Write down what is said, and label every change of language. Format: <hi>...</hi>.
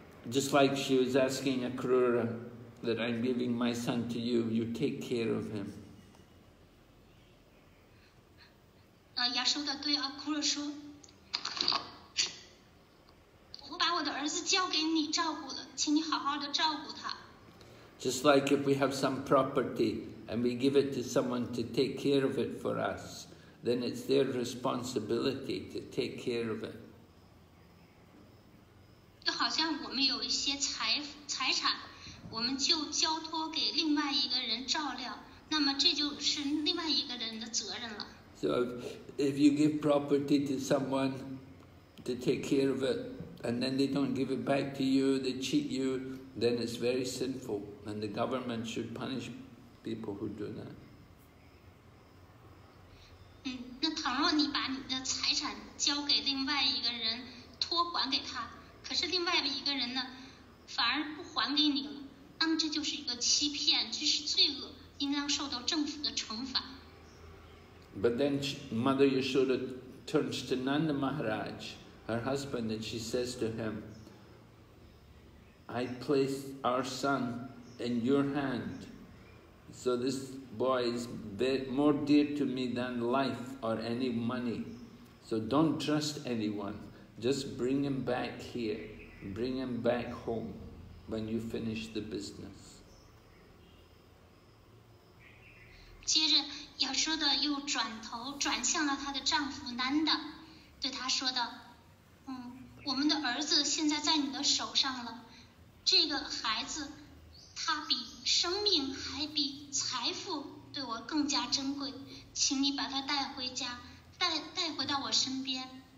<en>Just like she was asking Akrura that I'm giving my son to you, you take care of him.</en> <zh>亚修达对 Akrura 说：“我把我的儿子交给你照顾了，请你好好的照顾他。”</zh> <en>Just like if we have some property and we give it to someone to take care of it for us. Then it's their responsibility to take care of it.</en> <zh>就好像我们有一些财产，我们就交托给另外一个人照料，那么这就是另外一个人的责任了。</zh> <en>So if you give property to someone to take care of it, and then they don't give it back to you, they cheat you, then it's very sinful, and the government should punish people who do that.</en> <zh>那倘若你把你的财产交给另外一个人托管给他，可是另外一个人呢反而不还给你了，那么这就是一个欺骗，这是罪恶，应当受到政府的惩罚。</zh> <en>But then Mother Yashoda turns to Nanda Maharaj, her husband, and she says to him, I place our son in your hand, so this boy isMore dear to me than life or any money. So don't trust anyone. Just bring him back here. Bring him back home when you finish the business.</en> <zh>接着亚修达又转头转向了他的丈夫南达，对他说道，我们的儿子现在在你的手上了，这个孩子他比生命还比财富对我更加珍贵，请你把他带回家，带回到我身边。</zh>